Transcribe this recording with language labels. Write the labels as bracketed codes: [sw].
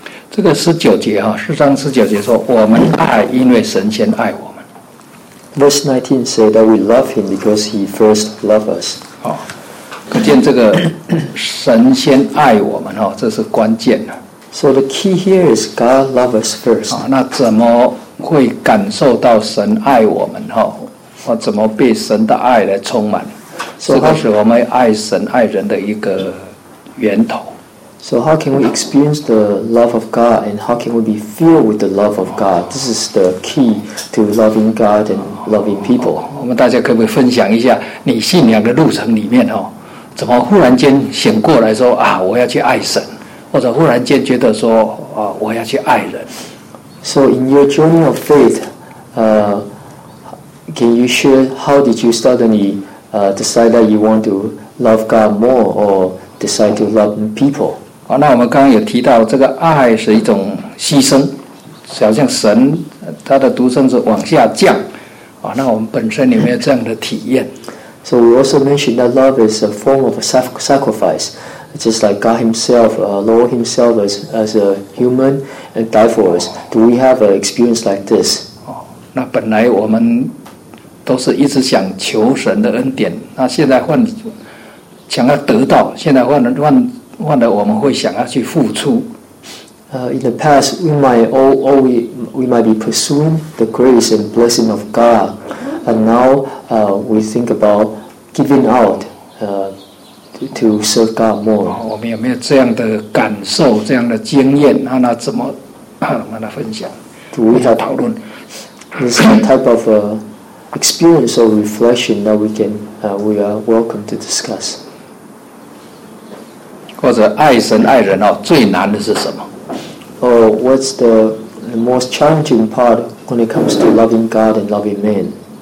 [zh] 这个十九节哈，四章十九节说，我们爱，因为神先爱我们。 [en] Verse 19 says that we love him because he first loved us. [zh] 好，可见这个神先爱我们哈，这是关键的。 [en] So the key here is God loved us first. [zh] 啊，那怎么会感受到神爱我们哈？我怎么被神的爱来充满？这个是我们爱神爱人的一个源头。 [en] So how can we experience the love of God and how can we be filled with the love of God? This is the key to loving God and loving people. [zh] 我们大家可不可以分享一下你信仰的路程里面，怎么忽然间醒过来说，我要去爱神，或者忽然间觉得说，我要去爱人。 [en] So in your journey of faith, can you share how did you suddenly decide that you want to love God more or decide to love people? [zh] 那我们刚刚有提到这个爱是一种牺牲，好像神他的独生子往下降，那我们本身有没有这样的体验？ [en] So we also mentioned that love is a form of a sacrifice, just like God himself, Lord himself as a human and died for us. Do we have an experience like this? [zh] 那本来我们都是一直想求神的恩典，那现在换想要得到，现在换了我们会想要去付出。 [en] In the past, we might be pursuing the grace and blessing of God, and now we think about giving out to serve God more. [zh] 我们有没有这样的感受、这样的经验？那怎么跟他分享？主要要讨论。 [en] This type of experience or reflection that we are welcome to discuss. [zh] 或者爱神爱人最难的是什么？ [en] Oh, what's the most challenging part when it comes to loving God and loving man?